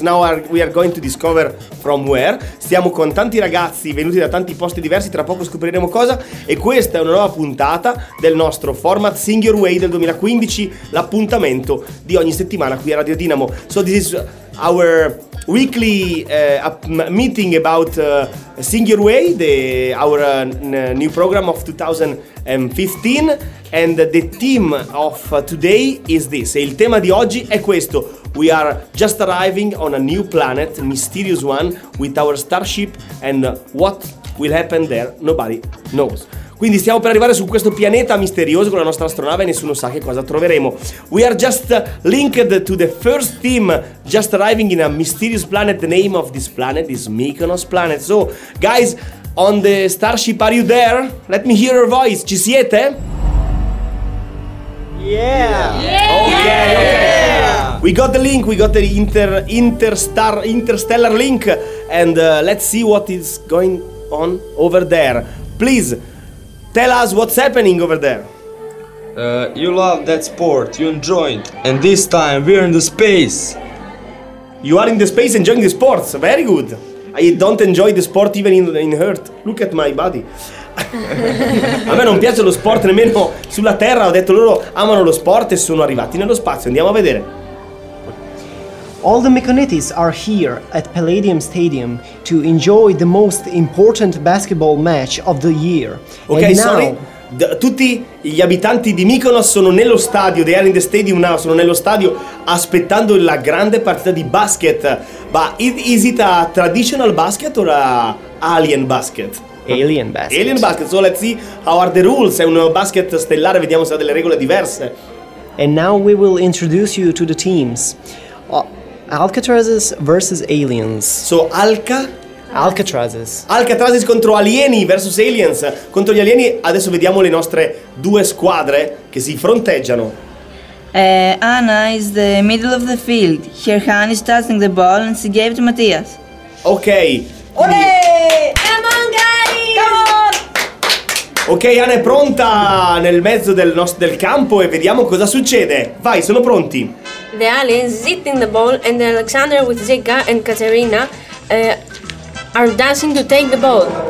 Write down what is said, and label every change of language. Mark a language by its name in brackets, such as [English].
[English] Now we are going to discover from where. [Italian] Stiamo con tanti ragazzi venuti da tanti posti diversi. Tra poco scopriremo cosa. E questa è una nuova puntata del nostro format Sing Your Way del 2015. L'appuntamento di ogni settimana qui a Radio Dynamo. [English] So this is our weekly meeting about Sing Your Way, our new program of 2015, and the theme of today is this. [Italian] E il tema di oggi è questo. [English] We are just arriving on a new planet, mysterious one, with our starship, and what will happen there nobody knows. [Italian] Quindi stiamo per arrivare su questo pianeta misterioso con la nostra astronave e nessuno sa che cosa troveremo. [English] We are just linked to the first team, just arriving in a mysterious planet. The name of this planet is Mykonos Planet. So, guys, on the starship, are you there? Let me hear your voice. [Italian] Ci siete? [English] Yeah. We got the link, we got the interstellar link, and let's see what is going on over there. Please tell us what's happening over there. You love that sport, you enjoy it, and this time we're in the space. You are in the space enjoying the sports, very good. I don't enjoy the sport even in Earth. Look at my body. [Italian] A me non piace lo sport nemmeno sulla Terra. Ho detto loro amano lo sport e sono arrivati nello spazio. Andiamo a vedere. [English] All the Mykonetis are here at Palladium Stadium to enjoy the most important basketball match of the year. Ok, and sorry. [Italian] Tutti gli abitanti di Mykonos sono nello stadio, [English] they are in the stadium now, [Italian] sono nello stadio aspettando la grande partita di basket. [English] But is it a traditional basket or a alien basket? Alien basket. Alien basket, so let's see how are the rules. [Italian] È un basket stellare, vediamo se ha delle regole diverse. [English] And now we will introduce you to the teams. Alcatrazes versus aliens. So Alcatrazes. [Italian] Alcatrazes contro alieni [English] versus aliens. [Italian] Contro gli alieni, adesso vediamo le nostre due squadre che si fronteggiano. [English] Anna is the middle of the field. Her hand is touching the ball and she gave it to Matthias. Ok. Olè! Come on, guys! Come on! [Italian] Ok, Anna è pronta nel mezzo del campo e vediamo cosa succede. Vai, sono pronti. [English] The aliens sitting the ball and Alexander with Zika and Katerina are dancing to take the ball.